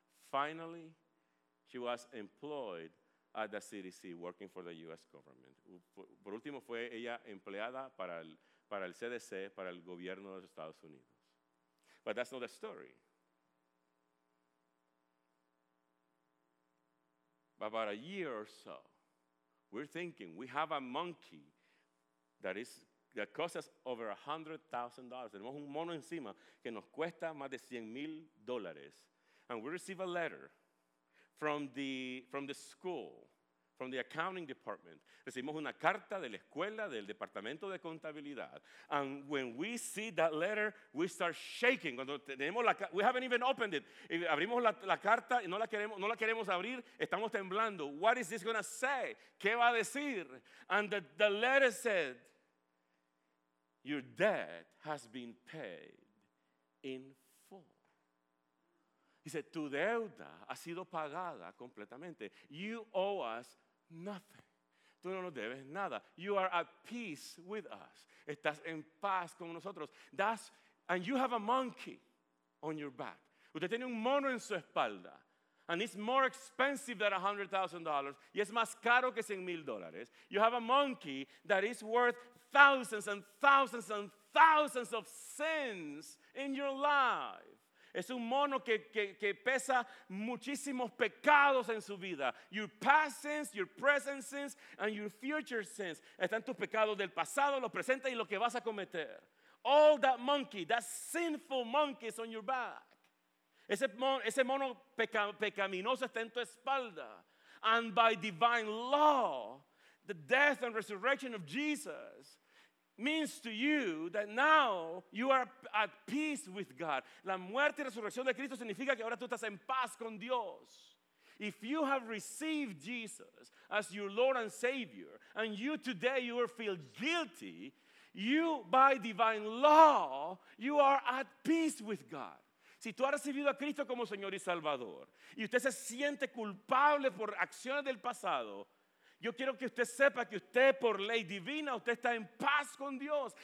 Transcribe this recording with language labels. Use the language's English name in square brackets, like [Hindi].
[English] Finally, she was employed at the CDC, working for the U.S. government. [Spanish] Por último, fue ella empleada para el CDC, para el gobierno de los Estados Unidos. [English] But that's not the story. About a year or so, we're thinking we have a monkey that costs us over $100,000. [Spanish] Tenemos un mono encima que nos cuesta más de $100,000. [English] And we receive a letter from the school, from the accounting department. [Spanish] Recibimos una carta de la escuela, del departamento de contabilidad. [English] And when we see that letter, we start shaking. [Spanish] Cuando tenemos [English] we haven't even opened it. [Spanish] Y abrimos la carta y no la queremos abrir, estamos temblando. [English] What is this going to say? [Spanish] ¿Qué va a decir? [English] And the letter said, your debt has been paid in full. [Spanish] Dice, tu deuda ha sido pagada completamente. [English] You owe us nothing. [Spanish] Tú no nos debes nada. [English] You are at peace with us. [Spanish] Estás en paz con nosotros. [English] And you have a monkey on your back. [Spanish] Usted tiene un mono en su espalda. [English] And it's more expensive than $100,000. [Spanish] Y es más caro que $100,000. [English] You have a monkey that is worth thousands and thousands and thousands of sins in your life. [Spanish] Es un mono que pesa muchísimos pecados en su vida. [English] Your past sins, your present sins, and your future sins. [Spanish] Están tus pecados del pasado, los presentes y lo que vas a cometer. [English] All that monkey, that sinful monkey is on your back. [Spanish] Ese mono pecaminoso está en tu espalda. [English] And by divine law, the death and resurrection of Jesus means to you that now you are at peace with God. [Spanish] La muerte y resurrección de Cristo significa que ahora tú estás en paz con Dios. [English] If you have received Jesus as your Lord and Savior, and you today you feel guilty, you by divine law, you are at peace with God. [Spanish] Si tú has recibido a Cristo como Señor y Salvador y usted se siente culpable por acciones del pasado, yo quiero que usted sepa que usted por ley divina, usted está en paz con Dios.